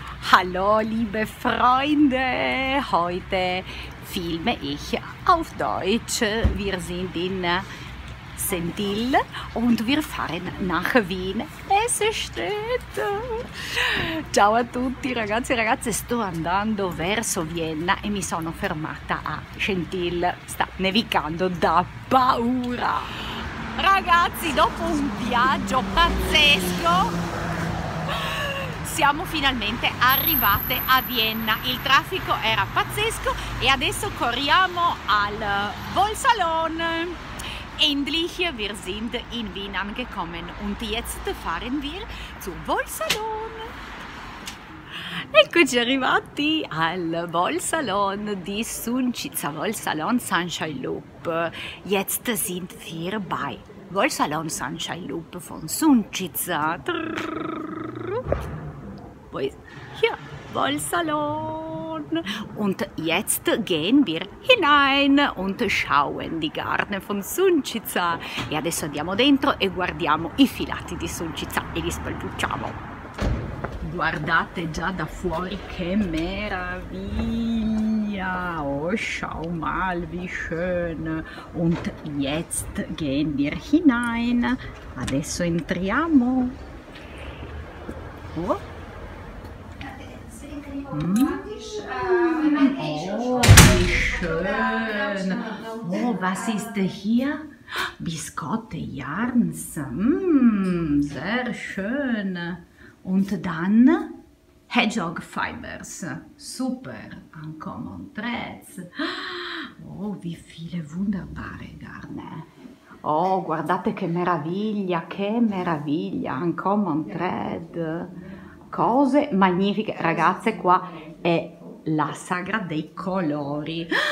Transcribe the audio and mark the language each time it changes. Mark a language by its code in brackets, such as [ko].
[de] Hallo liebe Freunde, heute filme ich auf Deutsch. Wir sind in Sentil und wir fahren nach Wien. Es steht. [it] Ciao a tutti ragazzi e ragazze, sto andando verso Vienna e mi sono fermata a Sentil. Sta nevicando da paura. Ragazzi, dopo un viaggio pazzesco siamo finalmente arrivate a Vienna. Il traffico era pazzesco e adesso corriamo al Volsalon. [de] Endlich, wir sind in Wien angekommen und jetzt fahren wir zum Volsalon. [it] Eccoci arrivati al Volsalon di Suncitza, Volsalon Sunshine Loop. [de] Jetzt sind wir bei Volsalon Sunshine Loop von Suncitza. Hier, Volsalon. Und jetzt gehen wir hinein und schauen die Garten von Suncitza. [it] E adesso andiamo dentro e guardiamo i filati di Suncitza e li spalluciamo. Guardate già da fuori che meraviglia! [de] Oh, schau mal, wie schön! Und jetzt gehen wir hinein. [it] Adesso entriamo. Oh. [de] Oh, was ist hier? Biscotte Jarns. Sehr schön. Und dann Hedgehog Fibers. Super. [en] Ancommon Threads. [de] Oh, wie viele wunderbare Garne. [it] Oh, guardate che meraviglia, che meraviglia. Ancommon Thread. Cose magnifiche. Ragazze, qua è la sagra dei colori.